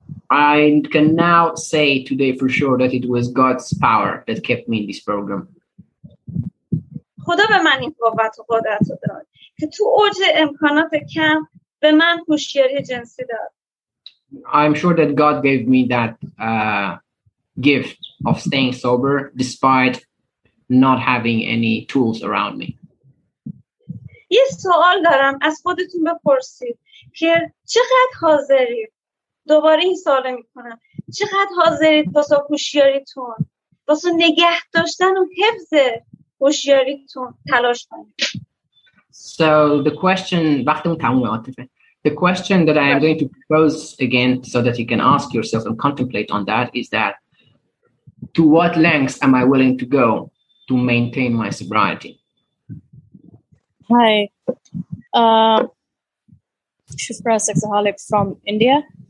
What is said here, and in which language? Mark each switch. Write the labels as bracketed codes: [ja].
[en] I can now say today for sure that it was God's power that kept me in this program. [fa] خدا به من این قوت و قدرت رو داد که تو اوج امکانات کم به من هوشیاری جنسی داد. [en] I'm sure that God gave me that gift of staying sober despite not having any tools around me. [fa] یه سوال دارم از خودتون بپرسید که چقدر حاضری دوباره این سوال رو میکنم. چقدر حاضرید واسه هوشیاریتون، واسه نگه داشتن و حفظ هوشیاریتون تلاش کنید؟ [en] So the question, [fa] وقتی تموم عاطفه. [en] The question that I am going to pose again so that you can ask yourself and contemplate on that is that to what lengths am I willing to go to maintain my sobriety? Hi. Shufra, sexaholic from India.